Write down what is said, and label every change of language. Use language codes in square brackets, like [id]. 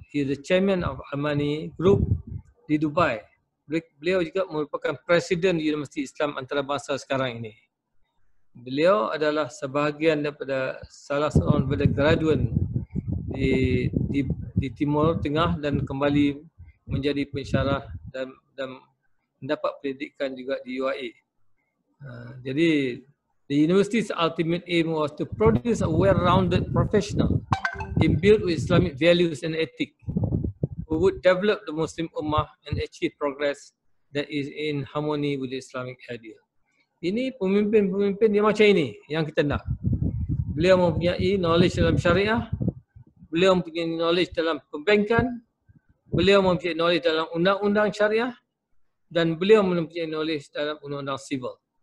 [en] He is the chairman of Amani Group di Dubai. [ms] Beliau juga merupakan presiden Universiti Islam Antarabangsa sekarang ini. Beliau adalah sebahagian daripada salah seorang daripada graduan di Timur Tengah dan kembali menjadi pensyarah dan mendapat pendidikan juga di UAE. [en] Jadi the university's ultimate aim was to produce a well-rounded professional imbued with Islamic values and ethics who would develop the Muslim ummah and achieve progress that is in harmony with the Islamic ideal. [ms] Ini pemimpin-pemimpin yang macam ini yang kita nak. Beliau mempunyai knowledge dalam syariah, beliau mempunyai knowledge dalam pembankan, beliau mempunyai knowledge dalam undang-undang syariah dan beliau mempunyai knowledge dalam undang-undang civil.